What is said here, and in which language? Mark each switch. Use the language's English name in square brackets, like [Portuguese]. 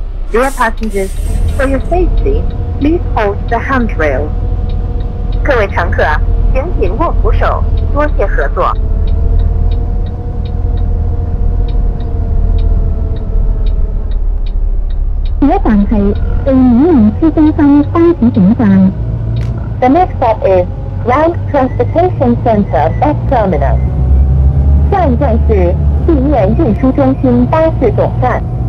[English] Dear passengers, for your safety, please hold the handrail. [Chinese] 各位乘客，请紧握扶手，多谢合作。下一站是第五零七中心巴士总站。 [English] The next stop is Ground Transportation Center at Terminal. [Chinese] 下一站是地面运输中心巴士总站。